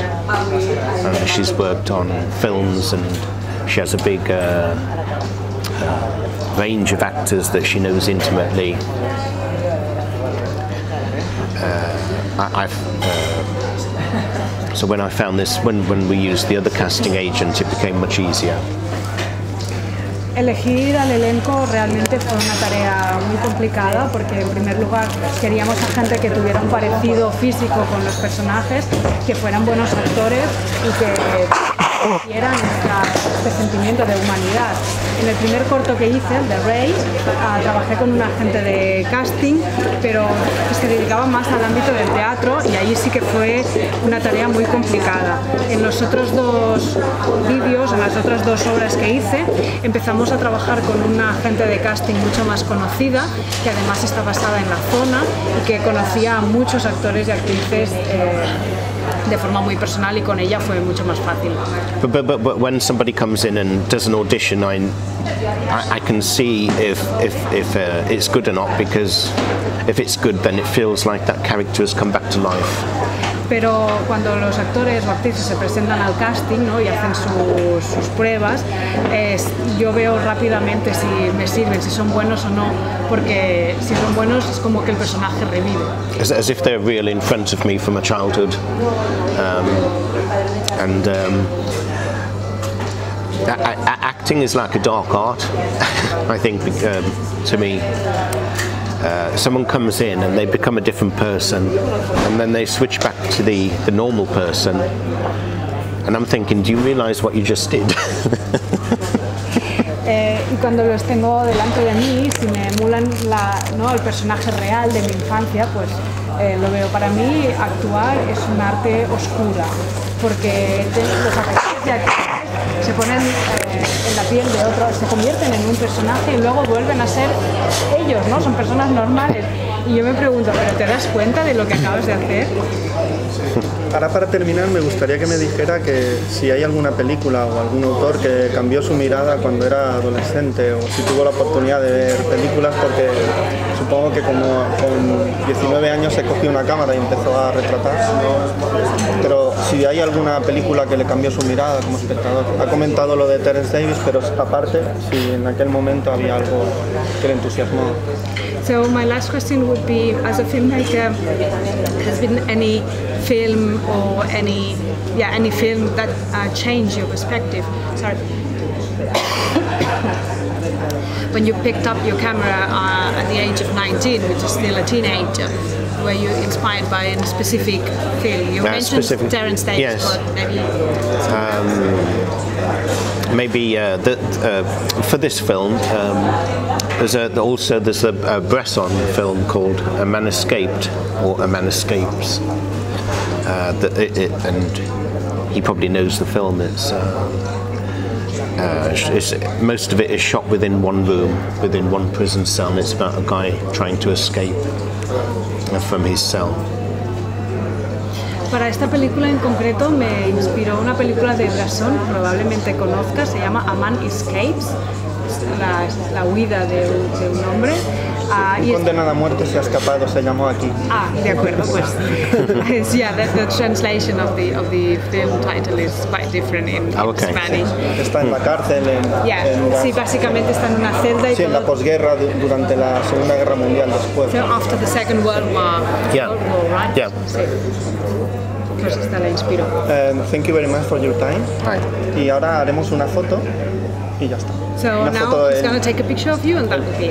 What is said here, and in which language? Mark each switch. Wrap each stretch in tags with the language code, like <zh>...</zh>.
<en>And she's worked on films, and she has a big range of actors that she knows intimately. So when I found this, when we used the other casting agent, it became much easier.</en> <es>Elegir al elenco realmente fue una tarea muy complicada, porque en primer lugar queríamos a gente que tuviera un parecido físico con los personajes, que fueran buenos actores y que tuvieran este sentimiento de humanidad. En el primer corto que hice, The Ray, trabajé con un agente de casting, pero se dedicaba más al ámbito del teatro, y ahí sí que fue una tarea muy complicada. En los otros dos vídeos, en las otras dos obras que hice, empezamos a trabajar con una agente de casting mucho más conocida, que además está basada en la zona y que conocía a muchos actores y actrices de forma muy personal, y con ella fue mucho más fácil.</es> <en>But when somebody comes in and does an audition, I can see if it's good or not, because if it's good, then it feels like that character has come back to life.</en> <es>Pero cuando los actores o actrices se presentan al casting, ¿no?, y hacen sus pruebas, yo veo rápidamente si me sirven, si son buenos o no, porque si son buenos es como que el personaje revive.</es> <en>As if they're real in front of me from my childhood. Acting is like a dark art, I think, to me. Someone comes in and they become a different person, and then they switch back to the normal person, and I'm thinking, do you realize what you just did?</en> <es>Y cuando los tengo delante de mí, si me emulan el personaje real de mi infancia, pues lo veo. Para mí, actuar es un arte oscura, porque los actores y actrices se ponen en la piel de otro, se convierten en un personaje y luego vuelven a ser ellos, ¿no? Son personas normales. Y yo me pregunto, ¿pero te das cuenta de lo que acabas de hacer? Ahora, para terminar, me gustaría que me dijera que si hay alguna película o algún autor que cambió su mirada cuando era adolescente, o si tuvo la oportunidad de ver películas, porque supongo que como con 19 años se cogió una cámara y empezó a retratar, ¿no? Pero si hay alguna película que le cambió su mirada como espectador. Ha comentado lo de Terence Davis, pero aparte, si en aquel momento había algo que le entusiasmó.</es> <en>So my last question would be, as a filmmaker, has been any film or any film that changed your perspective? Sorry. When you picked up your camera at the age of 19, which is still a teenager, were you inspired by any specific film? You mentioned Terence Davis, yes. For this film. There's a Bresson film called A Man Escaped, or A Man Escapes. And he probably knows the film. It's most of it is shot within one room, within one prison cell, and it's about a guy trying to escape from his cell.</en> <es>Para esta película en concreto me inspiró una película de Bresson, probablemente conozcas, se llama A Man Escapes, la huida de un hombre. Y condenada a muerte se ha escapado, se llamó aquí. Ah, de acuerdo, pues.</es> <en>Yeah, the translation of the film title is quite different in okay. Spanish.</en> <es>Está en la cárcel. Sí, básicamente está en una celda. Sí, en la posguerra durante la Segunda Guerra Mundial después.</es> <en>So after the Second World War. Yeah.</en> <es>Yeah. Pues esta la inspiró.</es> <en>Thank you very much for your time. Right.</en> <es>Y ahora haremos una foto y ya está.</es> <en>So now he's going to take a picture of you and that would be</en>